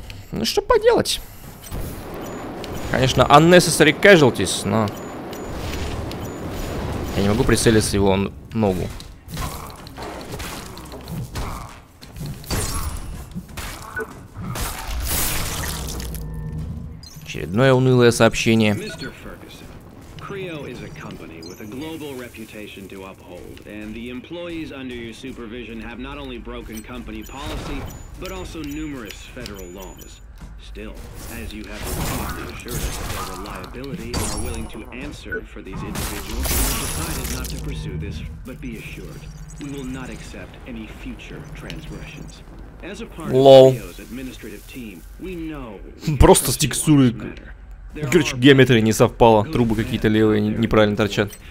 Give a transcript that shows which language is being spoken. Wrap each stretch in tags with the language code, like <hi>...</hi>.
<ru>Ну, что поделать? Конечно,</ru> <en>unnecessary casualties,</en> <ru>но... Я не могу прицелиться его ногу. Очередное унылое сообщение.</ru> <en>Мистер Фергюсон, Creo is a company with a global reputation to uphold, and the employees under your supervision have not only broken company policy, but also numerous federal laws. Still, as you have repeatedly assured us of their reliability and are willing to answer for these individuals, we have decided not to pursue this, but be assured, we will not accept any future transgressions. As a part of Creo's administrative team, we know...</en> <ru>Просто с текстурой... Короче, геометрия не совпала. Трубы какие-то левые неправильно торчат.</ru>